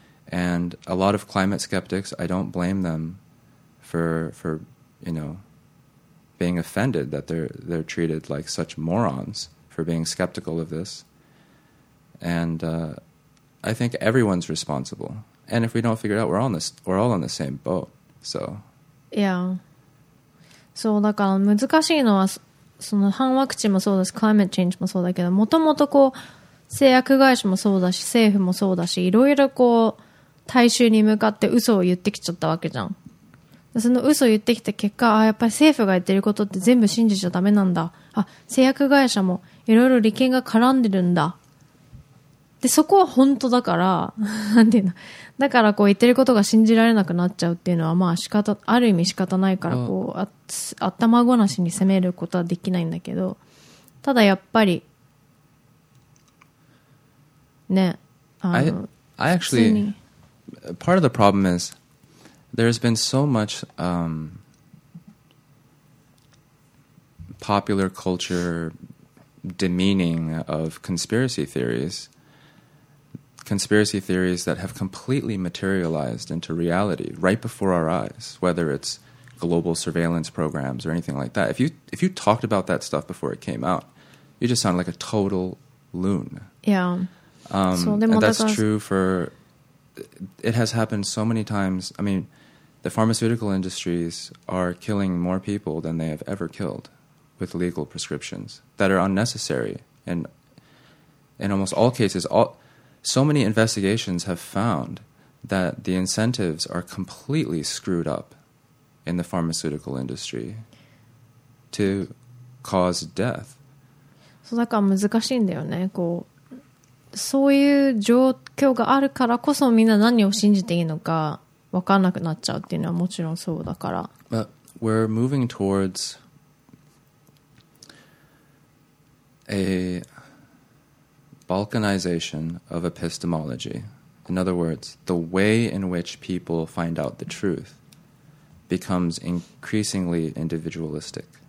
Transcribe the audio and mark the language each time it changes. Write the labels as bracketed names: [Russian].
[English] And a lot of climate skeptics, I don't blame them for you know, being offended that they're treated like such morons for being skeptical of this. And I think everyone's responsible. And if we don't figure it out, we're all on the same boat. So, yeah. [Japanese] そうだから難しいのはその反ワクチンもそうだし、クライマットチェンジもそうだけど、もともとこう製薬会社もそうだし、政府もそうだし、いろいろこう大衆に向かって嘘を言ってきちゃったわけじゃん。その嘘を言ってきた結果、あ、やっぱり政府が言ってることって全部信じちゃダメなんだ。あ、製薬会社もいろいろ利権が絡んでるんだ。でそこは本当だから、なんていうの、だからこう言ってることが信じられなくなっちゃうっていうのは、まあ仕方、ある意味仕方ないから、こう、頭ごなしに責めることはできないんだけど、ただやっぱり、ね、 [English] I actually, part of the problem is, there's been so much, popular culture demeaning of conspiracy theories. Conspiracy theories that have completely materialized into reality right before our eyes, whether it's global surveillance programs or anything like that. If you talked about that stuff before it came out, you just sound like a total loon. Yeah. And that's true for... It has happened so many times. I mean, the pharmaceutical industries are killing more people than they have ever killed with legal prescriptions that are unnecessary. And in almost all cases... So many investigations have found that the incentives are completely screwed up in the pharmaceutical industry to cause death. [Japanese] So だから難しいんだよね。こう、そういう状況があるからこそみんな何を信じていいのか分かんなくなっちゃうっていうのはもちろんそうだから。 [English] But we're moving towards a Balkanization of epistemology. In other words, the way in which people find out the truth becomes increasingly individualistic.